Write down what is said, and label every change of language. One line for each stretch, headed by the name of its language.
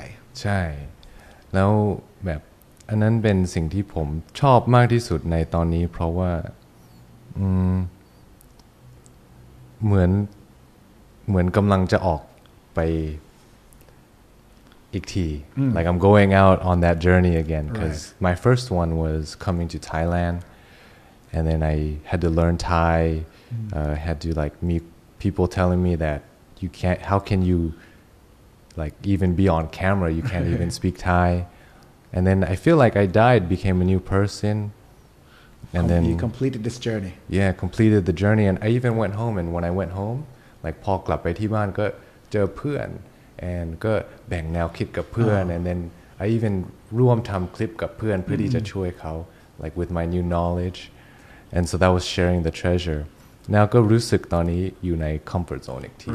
Thai: ใช่แล้วแบบอันนั้นเป็นสิ่งที่ผมชอบมากที่สุดในตอนนี้เพราะว่าเหมือนกำลังจะออกไปอีกที
English: like I'm going out on that journey again because right. my first one was coming to Thailand and then I had to learn Thai had to like meet people telling me that you can't how can you like even be on camera you can't even speak Thai and then I feel like I died became a new personAnd then you completed this journey. Yeah, completed the journey. And I even went home. And when I went home,
Thai: like พอกลับไปที่บ้านก็เจอเพื่อน and ก็แบ่งแนวคิดกับเพื่อน
English: and then I even
Thai: ร่วมทำคลิปกับเพื่อนเพื่อที่จะช่วยเขา
English: like with my new knowledge and so that was sharing the treasure now
Thai: ก็รู้สึกตอนนี้อยู่ใน comfort zone อีกที